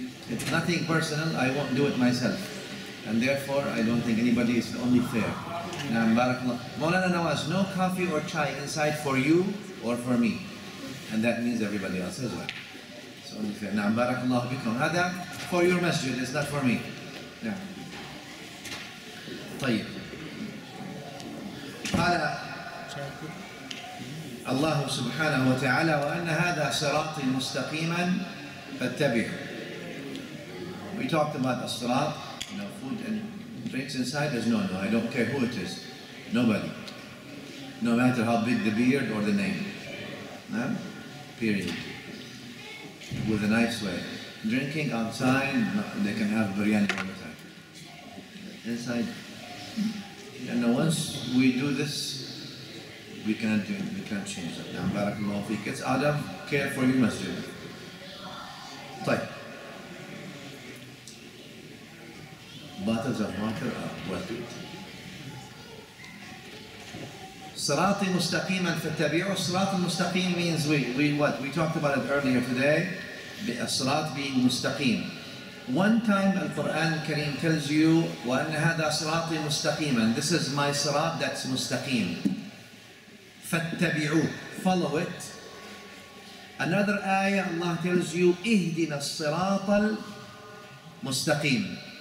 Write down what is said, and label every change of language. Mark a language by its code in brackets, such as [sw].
[en] It's nothing personal, I won't do it myself. And therefore, I don't think anybody is only fair. Maulana Nawaz, no coffee or chai inside for you or for me. And that means everybody else as well. It's only fair. Na'am barakallahu bikum. Hada for your masjid, it's not for me. Yeah. [ar] طيب. قال الله سبحانه وتعالى وأن هذا صراطي مستقيما فاتبعوا. [en] We talked about الصراط, you know, food and drinks inside is no, I don't care who it is, nobody, no matter how big the beard or the name, no? Period, with a nice way. Drinking outside, they can have biryani all the time. Inside. And once we do this, we can't do, we can't change that. Now, barakallahu feek. It's out of care for your masjid. [ar] طيب. [en] Bottles of water are worth it. [ar] صراط مستقيما فاتبعوا. [en] صراط مستقيم means we what? We talked about it earlier today. [ar] صراط being مستقيم. [en] One time Al-Qur'an Kareem tells you وَأَنَّ هَذَا صِرَاطِ مُسْتَقِيمًا. This is my sirat that's mustaqeem. فَاتَّبِعُوا. Follow it. Another ayah Allah tells you اِهْدِنَا الصِّرَاطَ الْمُسْتَقِيمِ.